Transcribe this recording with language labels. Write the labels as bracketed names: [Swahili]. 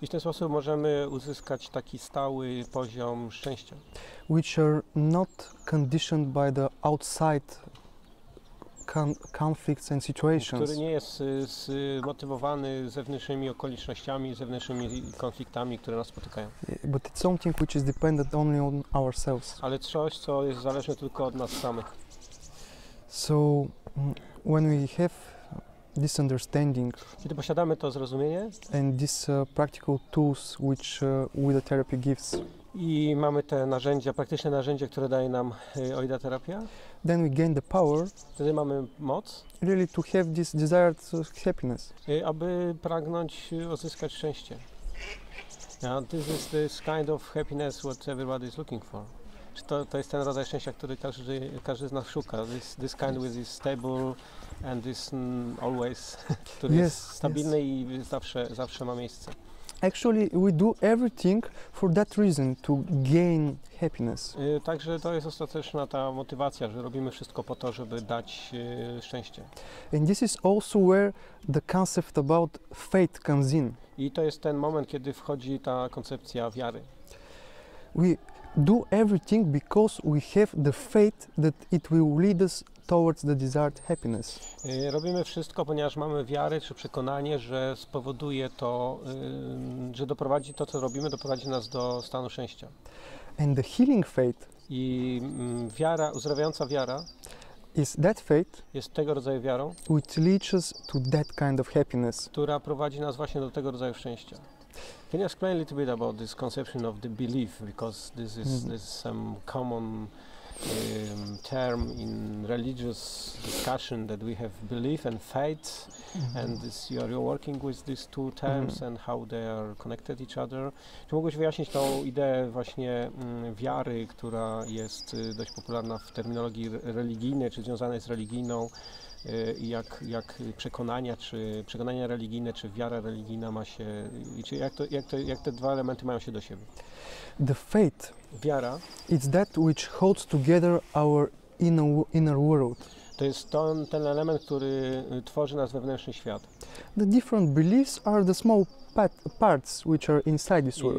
[Polish] I w ten sposób możemy uzyskać taki stały poziom szczęścia, [English] which are not conditioned by the outside conflicts and situations. [Polish] Który nie jest zmotywowany zewnętrznymi okolicznościami, zewnętrznymi konfliktami, które nas spotykają. [English] But it's something which is dependent only on ourselves. [Polish] Ale coś, co jest zależne tylko od nas samych. [English] So when we have this understanding, [Polish] kiedy posiadamy to zrozumienie, [English] and these practical tools which Ouida therapy gives, [Polish] i mamy te narzędzia, praktyczne narzędzia, które daje nam Ouida terapia, [English] then we gain the power, [Polish] wtedy mamy moc, [English] really to have this desired happiness, [Polish] aby pragnąć uzyskać szczęście. [English] Yeah, this is this kind of happiness what everybody is looking for. [Polish] To jest ten rodzaj szczęścia, który każdy z nas szuka. [English] This kind with this stable and this always, [Polish] który [English] yes, [Polish] jest stabilny [English] yes. [Polish] I zawsze ma miejsce. [English] Actually, we do everything for that reason, to gain happiness. [Polish] Także to jest ostateczna ta motywacja, że robimy wszystko po to, żeby dać szczęście. [English] And this is also where the concept about faith comes in. [Polish] I to jest ten moment, kiedy wchodzi ta koncepcja wiary. [English] We do everything because we have the faith that it will lead us towards the desired happiness. [Polish] Robimy wszystko, ponieważ mamy wiarę czy przekonanie, że spowoduje to, że doprowadzi to, co robimy, doprowadzi nas do stanu szczęścia. [English] And the healing faith. [Polish] I wiara, uzdrawiająca wiara. [English] Is that faith? [Polish] Jest tego rodzaju wiarą, [English] which leads us to that kind of happiness. [Polish] Która prowadzi nas właśnie do tego rodzaju szczęścia. [English] Can you explain a little bit about this conception of the belief, because this is some common term in religious discussion that we have belief and faith, and this you're working with these two terms and how they are connected each other. [Polish] Czy mógłbyś wyjaśnić tą ideę właśnie wiary, która jest dość popularna w terminologii religijnej, czy związana jest z religijną, jak przekonania, czy przekonania religijne, czy wiara religijna ma się, czy jak te dwa elementy mają się do siebie? [English] The faith, [Polish] wiara, [English] it's that which holds together our inner world. [Polish] To jest ten element, który tworzy nasz wewnętrzny świat. [English] The different beliefs are the small parts which are inside this world.